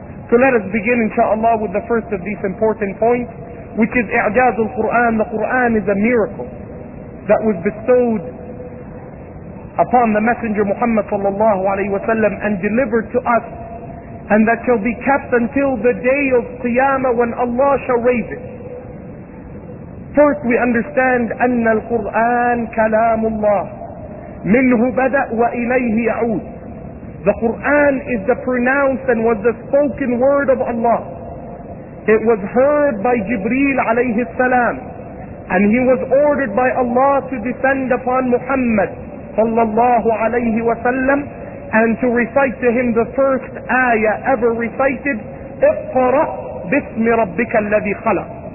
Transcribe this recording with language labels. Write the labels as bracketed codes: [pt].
[en] So let us begin inshaAllah with the first of these important points, which is I'jaz al-Qur'an. The Qur'an is a miracle that was bestowed upon the Messenger Muhammad sallallahu alayhi wa sallam and delivered to us, and that shall be kept until the day of Qiyamah when Allah shall raise it. First, we understand [ar] أن القرآن كلام الله منه بدأ وإليه يعود. [en] The Quran is the pronounced and was the spoken word of Allah. It was heard by Jibreel عليه السلام, and he was ordered by Allah to descend upon Muhammad صلى الله عليه وسلم and to recite to him the first ayah ever recited, [ar] اقرأ باسم ربك الذي خلق.